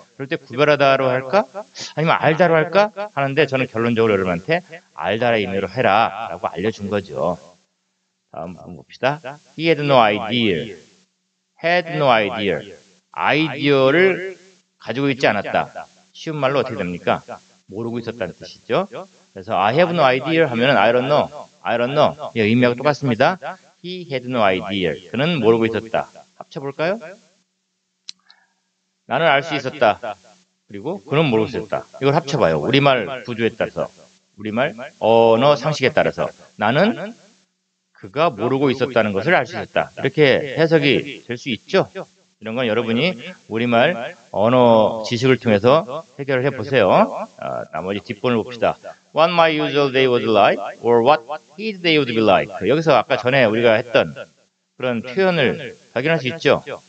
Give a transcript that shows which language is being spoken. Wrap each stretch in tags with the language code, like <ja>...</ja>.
<ko>그럴 때 구별하다로 할까 아니면 알다로 할까 하는데 저는 결론적으로 여러분한테 알다의 의미로 해라라고 알려준 거죠. 다음 한번 봅시다.</ko> <en>He had no idea. Had no idea.</en> <ko>아이디어를 가지고 있지 않았다. 쉬운 말로 어떻게 됩니까? 모르고 있었다는 뜻이죠. 그래서</ko> <en>I have no idea</en> <ko>하면</ko> <en>I don't know. I don't know.</en> <ko>예, 의미하고 똑같습니다.</ko> <en>He had no idea.</en> <ko>그는 모르고 있었다. 합쳐볼까요? 나는 알 수 있었다. 그리고 그는 모르고 있었다. 이걸 합쳐봐요. 우리말 구조에 따라서. 우리말 언어 상식에 따라서. 나는 그가 모르고 있었다는 것을 알 수 있었다. 이렇게 해석이 될 수 있죠? 이런 건 여러분이 우리말 언어 지식을 통해서 해결을 해보세요. 나머지 뒷부분을 봅시다.</ko> <en>what my usual day was like or what his day would be like.</en> <ko>여기서 아까 전에 우리가 했던 그런 표현을 확인할 수 있죠.</ko>